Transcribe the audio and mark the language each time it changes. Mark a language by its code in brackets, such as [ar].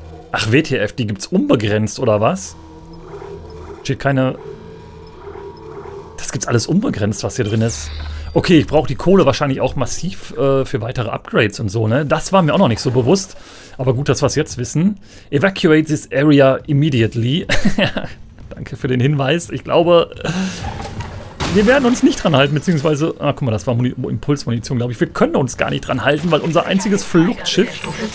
[de] Ach, WTF, die gibt's unbegrenzt, oder was? Steht keine... Das gibt's alles unbegrenzt, was hier drin ist. Okay, ich brauche die Kohle wahrscheinlich auch massiv für weitere Upgrades und so, ne? Das war mir auch noch nicht so bewusst. Aber gut, dass wir es jetzt wissen. [en] Evacuate this area immediately. [de] Danke für den Hinweis. Ich glaube, wir werden uns nicht dran halten, beziehungsweise... Ah, guck mal, das war Impulsmunition, glaube ich. Wir können uns gar nicht dran halten, weil unser einziges Fluchtschiff...